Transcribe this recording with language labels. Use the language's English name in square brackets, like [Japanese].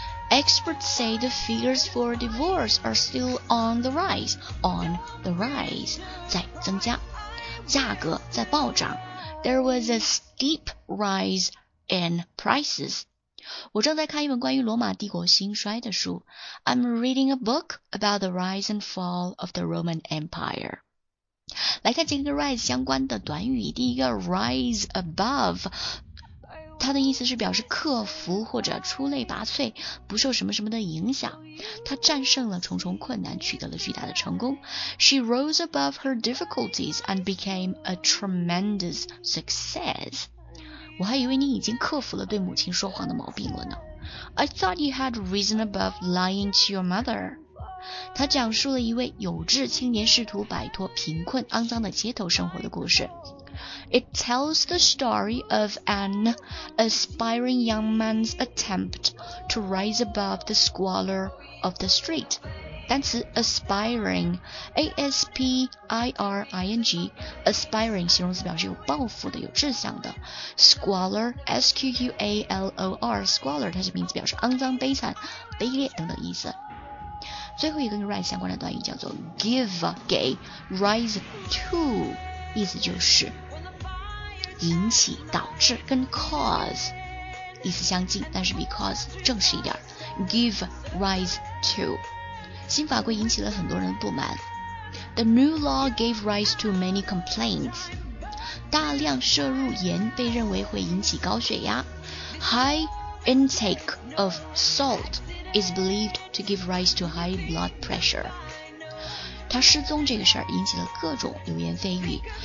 [English] Experts say the figures for divorce are still on the rise, on the rise, [Chinese] 在增加。价格在暴涨。 [English] There was a steep rise in prices. [Chinese] 我正在看一本关于罗马帝国兴衰的书。 [English] I'm reading a book about the rise and fall of the Roman Empire. [Chinese] 来看几个 rise 相关的短语。第一个 rise above， 它的意思是表示克服或者出类拔萃，不受什么什么的影响。她战胜了重重困难，取得了巨大的成功。 [English] She rose above her difficulties and became a tremendous success. [Chinese] 我还以为你已经克服了对母亲说谎的毛病了呢。 [English] I thought you had risen above lying to your mother. [Chinese] 他讲述了一位有志青年试图摆脱贫困肮脏的街头生活的故事。 [English] It tells the story of an aspiring young man's attempt to rise above the squalor of the street. [Chinese] 单词 aspiring A-S-P-I-R-I-N-G aspiring 形容词，表示有抱负的，有志向的。 squalor S-Q-Q-A-L-O-R squalor 它是名词，表示肮脏、悲惨、卑劣等等意思。最后一个跟 rise 相关的短语叫做 give 给 rise to， 意思就是引起、导致，跟 cause 意思相近，但是比 cause 正式一点。 give rise to新法规引起了很多人的不满。 [English] The new law gave rise to many complaints. [Chinese] 大量摄入盐被认为会引起高血压。 [English] High intake of salt is believed to give rise to high blood pressure. [Chinese] 她失踪这个事儿引起了各种流言蜚语。